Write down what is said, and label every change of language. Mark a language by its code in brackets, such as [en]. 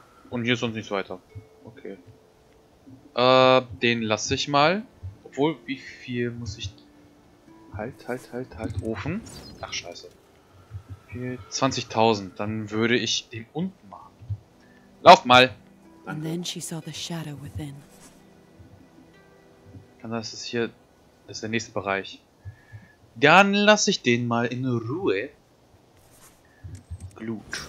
[de] Und hier ist sonst nichts weiter. Okay. Den lasse ich mal. Obwohl, wie viel muss ich... Halt, Ofen. Ach, scheiße. 20.000, dann würde ich den unten machen. Lauf mal! [en] And then she saw the shadow within. [de] Dann ist es hier... Das ist der nächste Bereich. Dann lasse ich den mal in Ruhe. Glut.